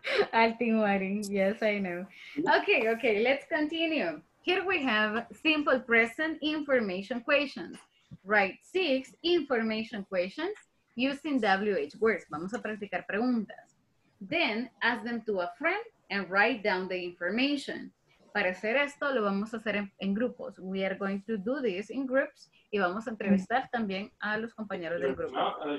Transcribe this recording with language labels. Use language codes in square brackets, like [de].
[en] al Team Marine, yes, I know. Okay, okay, let's continue. Here we have simple present information questions. Write 6 information questions using WH words. [es] Vamos a practicar preguntas. [en] Then ask them to a friend and write down the information. [es] Para hacer esto, lo vamos a hacer en grupos. [en] We are going to do this in groups. [es] Y vamos a entrevistar también a los compañeros del grupo.